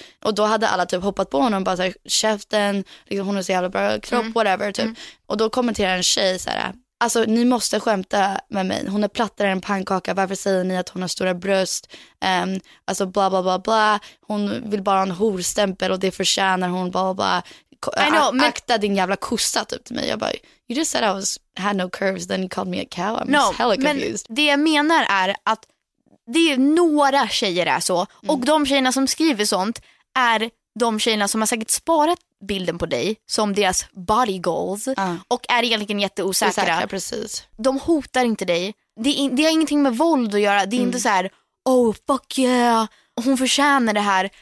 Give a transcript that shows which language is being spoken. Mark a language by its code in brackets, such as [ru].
[sv] Och då hade alla typ hoppat på honom, bara så här, käften, liksom, hon har så jävla bra kropp, whatever typ. Och då kommenterar en tjej så här, alltså ni måste skämta med mig, hon är plattare än pannkaka, varför säger ni att hon har stora bröst, alltså bla bla bla bla, hon vill bara ha en horstämpel och det förtjänar hon, bla bla bla. Akta din jävla kossa typ till mig. Jag bara, [en] you just said I was, had no curves, then you called me a cow, I'm hella confused. [sv] Men det jag menar är att det är några tjejer är så. Och de tjejerna som skriver sånt är de tjejerna som har säkert sparat bilden på dig som deras body goals och är egentligen jätteosäkra. Osäkra, precis. De hotar inte dig. Det har ingenting med våld att göra. Det är inte så här, [en] oh fuck yeah, [sv] hon förtjänar det här.